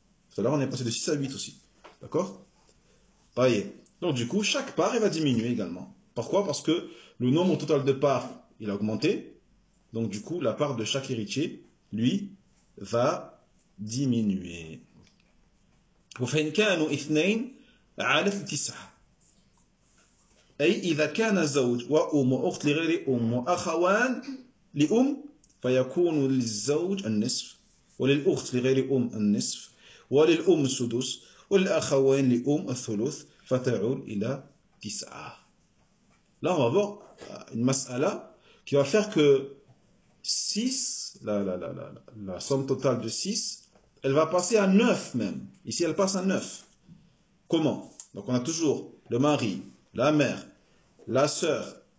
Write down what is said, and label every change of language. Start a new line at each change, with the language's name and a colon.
French: Tout à l'heure, on est passé de 6 à 8 aussi. D'accord? Pareil. Donc du coup, chaque part, elle va diminuer également. Pourquoi? Parce que le nombre total de parts, il a augmenté. Donc du coup, la part de chaque héritier, lui, va diminuer.
Arabic: وفإن كانوا اثنين على التسعة أي إذا كان زوج وأم وأخت لغير أم وأخوان لأم فيكون للزوج النصف وللأخت لغير أم النصف وللأم السدس وللأخوين لأم الثلث فتعود إلى تسعة.
French: Là, on va voir une masala qui va faire que 6, la somme totale de 6, elle va passer à 9 même. Ici, elle passe à 9. Comment? Donc, on a toujours le mari, la mère, la sœur.